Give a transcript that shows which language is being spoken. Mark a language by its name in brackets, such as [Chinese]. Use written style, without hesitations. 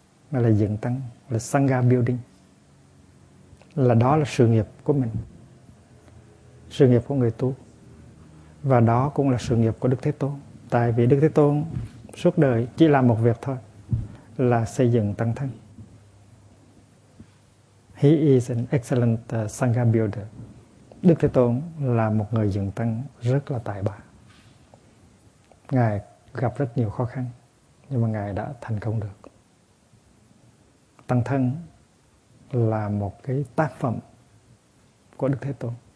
[Vietnamese] Mà là dựng tăng, là Sangha Building. Là đó là sự nghiệp của mình. Sự nghiệp của người tu. Và đó cũng là sự nghiệp của Đức Thế Tôn. Tại vì Đức Thế Tôn suốt đời chỉ làm một việc thôi, là xây dựng tăng thân. [English] He is an excellent Sangha Builder. [Vietnamese] Đức Thế Tôn là một người dựng tăng rất là tài ba. Ngài gặp rất nhiều khó khăn, nhưng mà Ngài đã thành công được. Tăng thân là một cái tác phẩm của Đức Thế Tôn.